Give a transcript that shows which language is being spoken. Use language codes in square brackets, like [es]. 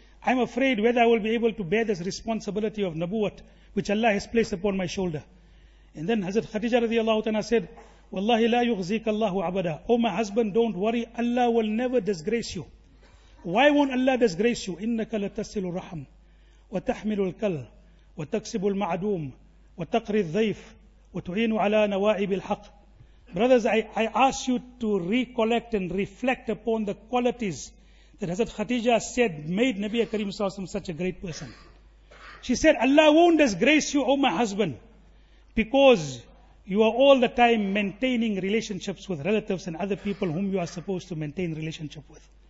[en] I'm afraid whether I will be able to bear this responsibility of nabuwat, which Allah has placed upon my shoulder. And then Hazrat Khadija radiallahu ta'ala said, [ar] Wallahi la yughzik Allahu abada. [en] Oh my husband, don't worry. Allah will never disgrace you. Why won't Allah disgrace you? [ar] Innaka latasilu rahim. وتحمل الكل وتكسب المعدوم وتقري الضيف وتعين على نوائب الحق. [en] Brothers, I ask you to recollect and reflect upon the qualities that Hazrat Khadija said made Nabi Kareem Sallallahu Alaihi Wasallam such a great person. She said, Allah won't disgrace you, O my husband, because you are all the time maintaining relationships with relatives and other people whom you are supposed to maintain relationship with.